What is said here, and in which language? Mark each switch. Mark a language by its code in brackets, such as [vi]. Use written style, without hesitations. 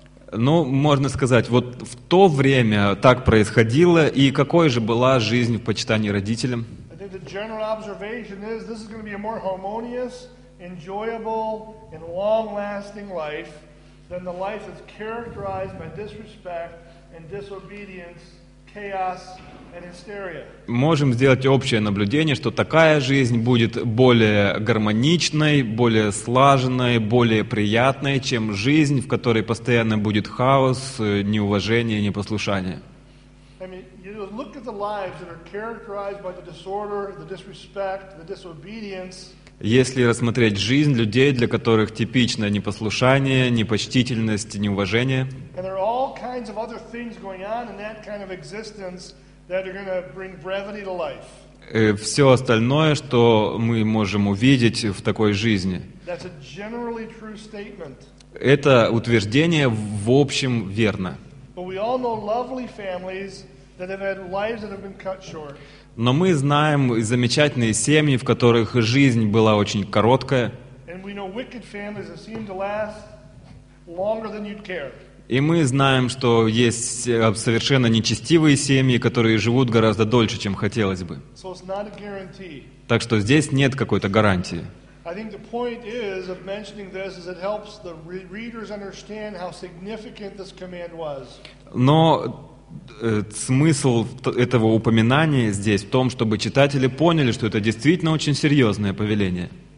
[ru] Ну, можно сказать, вот в то время так происходило, и какой же была жизнь в почитании родителям? [en] The general observation is this is going to be a more harmonious, enjoyable, and long-lasting life than the life that's characterized by disrespect and disobedience, chaos and hysteria. [ru] Можем сделать общее наблюдение, что такая жизнь будет более гармоничной, более слаженной, более приятной, чем жизнь, в которой постоянно будет хаос, неуважение, непослушание. [en] Look at the lives that are characterized by the disorder, the disrespect, the disobedience. [ru] Если рассмотреть жизнь людей, для которых типично непослушание, непочтительность, неуважение. [en] And there are all kinds of other things going on in that kind of existence that are going to bring brevity to life. [ru] Все остальное, что мы можем увидеть в такой жизни. [en] That's a generally true statement. [ru] Это утверждение в общем верно. [en] But we all know lovely families. That have had lives that have been cut short. [ru] Но мы знаем замечательные семьи, в которых жизнь была очень короткая. [en] And we know wicked families that seem to last longer than you'd care. [ru] И мы знаем, что есть совершенно нечестивые семьи, которые живут гораздо дольше, чем хотелось бы. [en] So it's not a guarantee. [ru] Так что здесь нет какой-то гарантии. [en] I think the point is of mentioning this is it helps the readers understand how significant this command was. [ru] Но смысл этого упоминания здесь в том, чтобы читатели поняли, что это действительно очень серьезное повеление.